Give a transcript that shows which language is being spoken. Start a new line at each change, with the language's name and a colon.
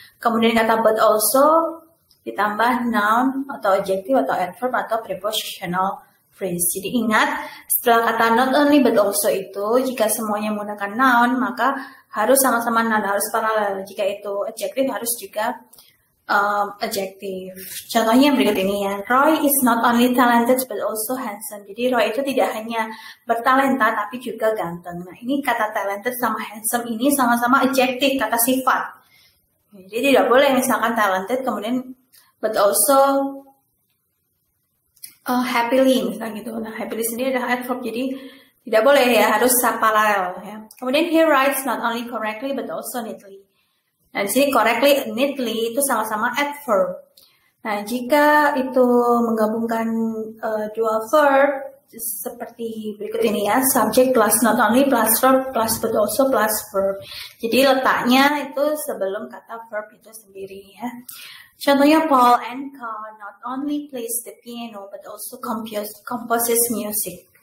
Indonesian: Kemudian kata but also ditambah noun atau adjective atau adverb atau prepositional phrase. Jadi ingat, setelah kata not only but also itu, jika semuanya menggunakan noun, maka harus sama-sama noun, harus paralel. Jika itu adjective, harus juga adjective. Contohnya berikut ini ya.
English: Roy is not only talented but also handsome.
Indonesian: Jadi Roy itu tidak hanya bertalenta tapi juga ganteng. Nah, ini kata talented sama handsome ini sama-sama adjective, kata sifat. Jadi tidak boleh misalkan talented kemudian but also happily misalnya gitu. Nah, happily sendiri adalah adverb. Jadi tidak boleh ya, harus paralel ya. Kemudian
English: he writes not only correctly but also neatly.
Indonesian: Nah, di sini correctly, neatly itu sama-sama adverb. Nah, jika itu menggabungkan dua verb seperti berikut ini ya, subject plus not only plus verb plus but also plus verb. Jadi letaknya itu sebelum kata verb itu sendiri ya. Contohnya
English: Paul Anka not only plays the piano but also composes music.